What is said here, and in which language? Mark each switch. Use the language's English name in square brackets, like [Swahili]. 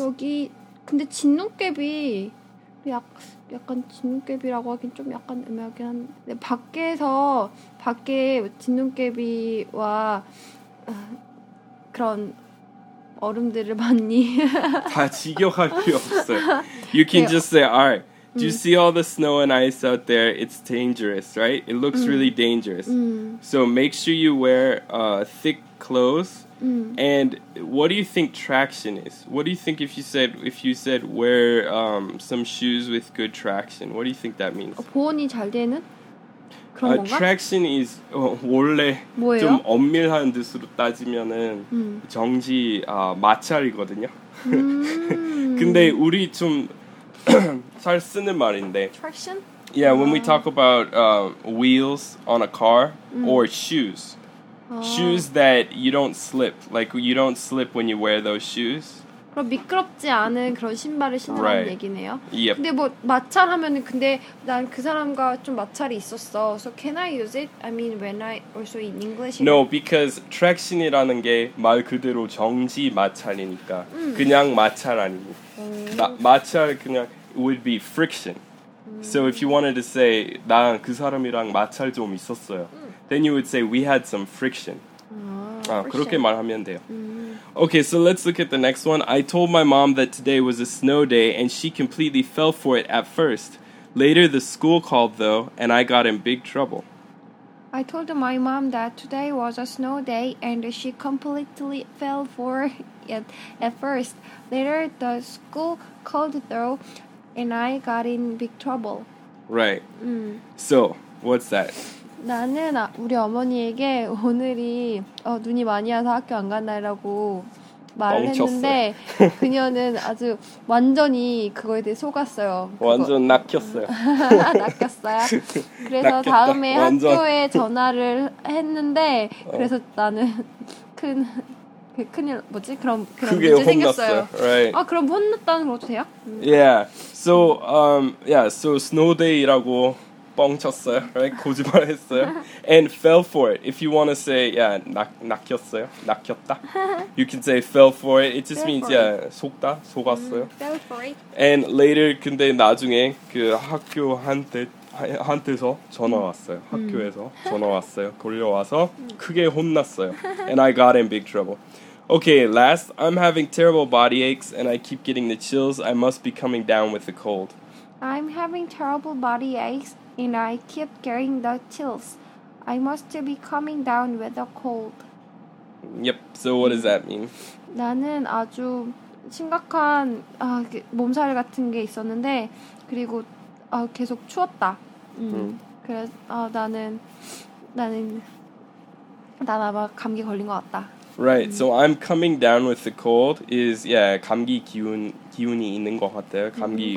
[Korean] 여기 근데 진눈깨비 약간 진눈깨비라고 하긴 좀 약간 애매하긴 한데 밖에 진눈깨비와 그런 얼음들을 봤니? 다 지겨울 필요 없어. [English] You can just say, all right, do you see all the snow and ice out there? It's dangerous, right? It looks really dangerous. So make sure you wear thick clothes. And what do you think traction is? What do you think if you said wear some shoes with good traction? What do you think that means? [Korean] 보온이 잘 되는? 그런 건가? [English] Traction is [Korean] 원래 뭐예요? 좀 엄밀한 뜻으로 따지면은 정지 마찰이거든요. 근데 우리 좀 잘 쓰는 말인데. [English] Traction? Yeah, when we talk about wheels on a car or shoes. shoes that you don't slip. Like, you don't slip when you wear those shoes. [Korean] 그럼 미끄럽지 않은 그런 신발을 신으라는 [English] right. [Korean] 얘기네요. [English] Yep. [Korean] 근데 뭐 마찰 하면은 근데 난 그 사람과 좀 마찰이 있었어. [English] So can I use it? I mean when I also in English? No, because [Korean] traction이라는 게 말 그대로 정지 마찰이니까 그냥 마찰 아니고 마찰 그냥 [English] would be friction. So if you wanted to say [Korean] 난 그 사람이랑 마찰 좀 있었어요. [English] Then you would say we had some friction. [Korean] 아, 그렇게 말하면 돼요. [English] Okay, so let's look at the next one. I told my mom that today was a snow day, and she completely fell for it at first. Later, the school called, though, and I got in big trouble. I told my mom that today was a snow day, and she completely fell for it at first. Later, the school called, though, and I got in big trouble. Right. So, what's that? [Korean] 나는 우리 어머니에게 오늘이 눈이 많이 와서 학교 안 간 날이라고 말을 했는데 그녀는 아주 완전히 그거에 대해 속았어요. 그거. 완전 낚였어요. 낚였어요? 그래서 다음에 완전. 학교에 전화를 했는데 그래서 나는 큰일 뭐지? 그런 문제 생겼어요. [English] Right. [Korean] 아, 그럼 혼났다는 것도 돼요? [English] Yeah. So, yeah. So, snow day [Korean] 라고 뻥쳤어요, [English] right? [Korean] 거짓말했어요. [English] And fell for it. If you want to say, yeah, [Korean] 낚였어요, 낚였다. [English] You can say fell for it. It just fell means, yeah, [Korean] 속다, 속았어요. [English] Fell for it. And later, [Korean] 근데 나중에 그 학교한테서 전화 왔어요. 학교에서 전화 왔어요. 걸려와서 크게 혼났어요. [English] And I got in big trouble. Okay, last. I'm having terrible body aches and I keep getting the chills. I must be coming down with the cold. I'm having terrible body aches. And I keep getting the chills. I must be coming down with a cold. Yep. So what does that mean? [Korean] 나는 아주 심각한 몸살 같은 게 있었는데 그리고 계속 추웠다. 그래서 나는 아마 감기 걸린 것 같다. [English] Right. So I'm coming down with the cold is yeah, [Korean] 감기 기운이 있는 것 같아요. 감기